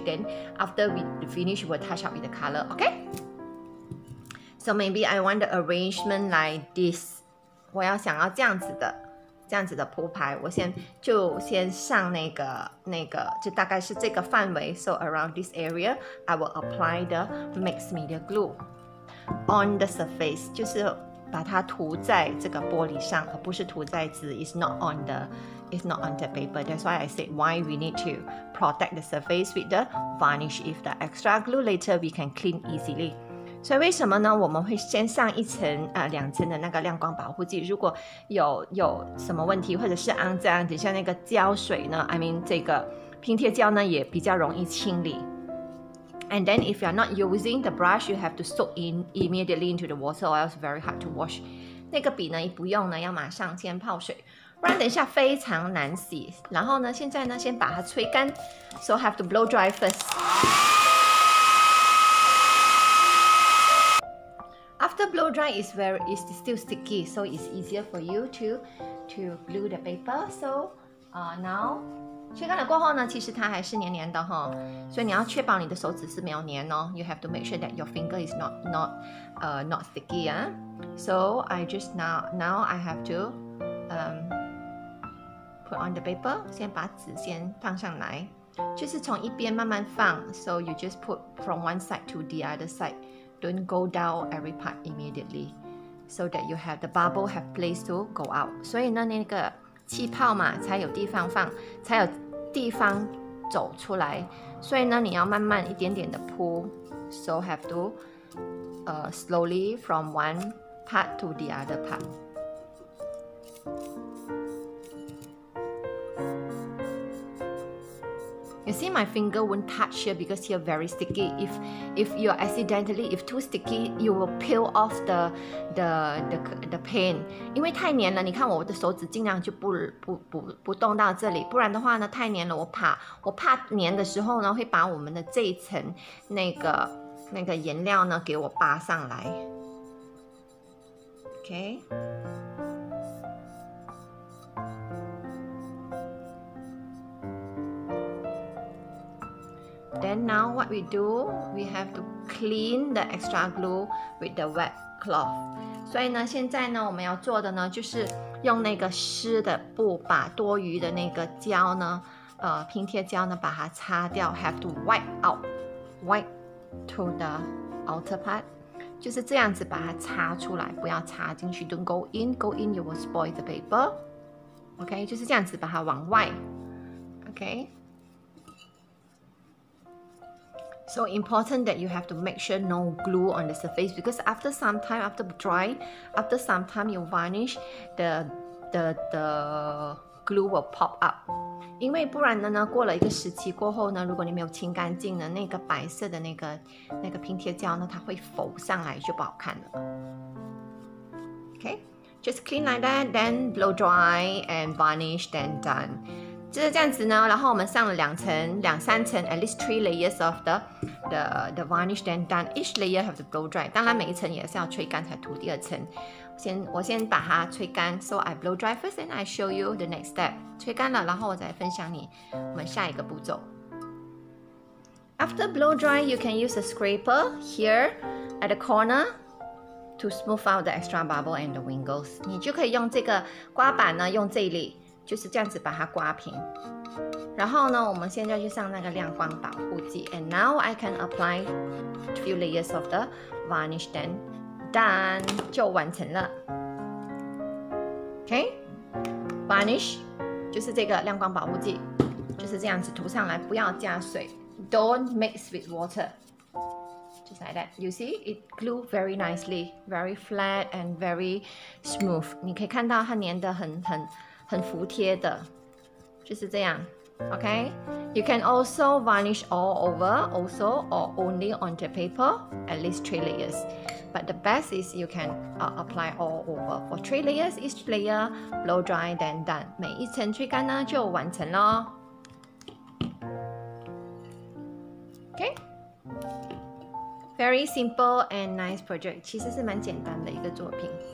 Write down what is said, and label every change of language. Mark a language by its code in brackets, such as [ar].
[en] Then after we finish, we'll touch up with the color. Okay, so maybe I want the arrangement like this. [zh] 我要想要这样子的，这样子的铺排。我先就先上那个就大概是这个范围。 [en] So around this area I will apply the mixed media glue on the surface, [zh] 就是把它涂在这个玻璃上，而不是涂在纸。 [en] It's not on the paper. That's why I said why we need to protect the surface with the varnish. If the extra glue later, we can clean easily. [zh] 所以为什么呢？我们会先上一层两层的那个亮光保护剂。如果有什么问题，或者是肮脏，等下那个胶水呢 ？ [en] I mean [zh] 这个拼贴胶呢也比较容易清理。 [en] And then if you're not using the brush, you have to soak in immediately into the water, or else very hard to wash. [zh] 那个笔呢，不用呢，要马上先泡水。不然等一下非常难洗。然后呢现在呢先把它吹干。 [en] So have to blow dry first. After blow dry is still sticky, so it's easier for you to glue the paper. So now [zh] 吹干了过后呢其实它还是黏黏的哈，所以你要确保你的手指是没有黏哦。 [en] You have to make sure that your finger is not sticky, eh? So I just now I have to put on the paper. [zh] 先把纸先放上来，就是从一边慢慢放。 [en] So you just put from one side to the other side. Don't go down every part immediately, so that you have the bubble have place to go out. [zh] 所以呢那个气泡嘛才有地方 [en] 放，才有地方 [zh] 走出来，所以呢你要慢慢一点点的铺。 [en] So have to slowly from one part to the other part。 You see, my finger won't touch here because here very sticky. If you accidentally, if too sticky, you will peel off the paint. [zh] 因为太黏了，你看我的手指尽量就不动到这里，不然的话呢，太黏了，我怕黏的时候呢，会把我们的这一层那个颜料呢给我扒上来。 [en] Okay. Then now what we do, we have to clean the extra glue with the wet cloth. [zh] 所以呢，现在呢，我们要做的呢，就是用那个湿的布把多余的那个胶呢，拼贴胶呢，把它擦掉。 [en] Have to wipe out, wipe to the outer part. [zh] 就是这样子把它擦出来，不要擦进去。 [en] Don't go in, go in, you will spoil the paper. [zh] Okay, 就是这样子把它往外。Okay. [en] So important that you have to make sure no glue on the surface, because after some time, after dry, after some time you varnish, the glue will pop up. [zh] 因为不然的呢，过了一个时期过后呢，如果你没有清干净呢，那个白色的那个拼贴胶呢，它会浮上来，就不好看了。 [en] Okay, just clean like that, then blow dry and varnish, then done. [zh] 就是这样子呢，然后我们上了两层、两三层 ， [en] at least three layers of the varnish, then done. Each layer have to blow dry. [zh] 当然，每一层也是要吹干才涂第二层。我先把它吹干 [en] ，so I blow dry first, and I show you the next step. [zh] 吹干了，然后我再分享你我们下一个步骤。 [en] After blow dry, you can use a scraper here at the corner. To smooth out the extra bubble and the wrinkles, [zh] 你就可以用这个刮板呢，用这里就是这样子把它刮平。然后呢，我们现在就上那个亮光保护剂。 [en] And now I can apply few layers of the varnish. Then done, [zh] 就完成了。Okay, varnish 就是这个亮光保护剂，就是这样子涂上来，不要加水。 [en] Don't mix with water. Just like that. You see, it glued very nicely, very flat and very smooth. [zh] 你可以看到它粘得很服帖的，就是这样。 [en] Okay, you can also varnish all over, also or only on the paper, at least three layers. But the best is you can apply all over for three layers. Each layer blow dry, then done. [zh] 每一层吹干呢就完成了。 [en] Okay. Very simple and nice project. [zh] 其实是蛮简单的一个作品。